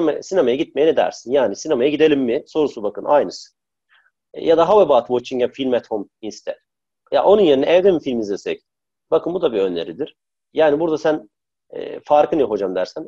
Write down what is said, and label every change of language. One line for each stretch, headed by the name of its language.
Turkish: Sinemaya gitmeye ne dersin? Yani sinemaya gidelim mi? Sorusu bakın aynısı. Ya da
English: how about watching a film at home instead?
Turkish: Ya onun yerine evde mi film izlesek? Bakın bu da bir öneridir. Yani burada sen farkı ne hocam dersen?